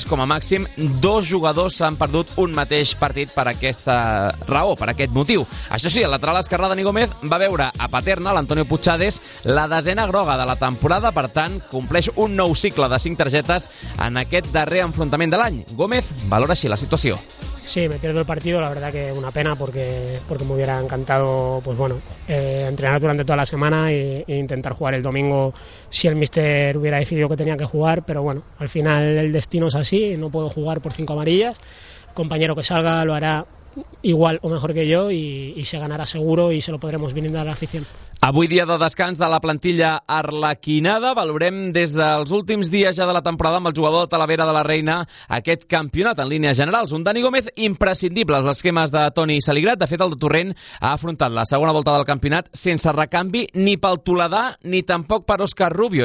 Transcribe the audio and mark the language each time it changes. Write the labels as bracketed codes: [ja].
[ca] Com a màxim, dos jugadors s'han perdut un mateix partit per aquesta raó, per aquest motiu. Això sí, el lateral esquerrà Dani Gómez va veure a Paterna, l'Antonio Puigades, la desena groga de la temporada, per tant, compleix un nou cicle de 5 targetes en aquest darrer enfrontament de l'any. Gómez valora així la situació. [es] Sí, me pierdo el partido, la verdad que una pena porque me hubiera encantado, pues bueno, entrenar durante toda la semana e intentar jugar el domingo si el míster hubiera decidido que tenía que jugar, pero bueno, al final el destino es así, no puedo jugar por 5 amarillas. El compañero que salga lo hará igual o mejor que yo y se ganará seguro y se lo podremos brindar a la afición. [ca] Avui dia de descans de la plantilla arlequinada. Valorem des dels últims dies ja de la temporada amb el jugador de Talavera de la Reina aquest campionat en línies generals. Un Dani Gómez imprescindible als esquemes de Toni Saligrat. De fet, el de Torrent ha afrontat la segona volta del campionat sense recanvi ni pel Toledà ni tampoc per Òscar Rubio.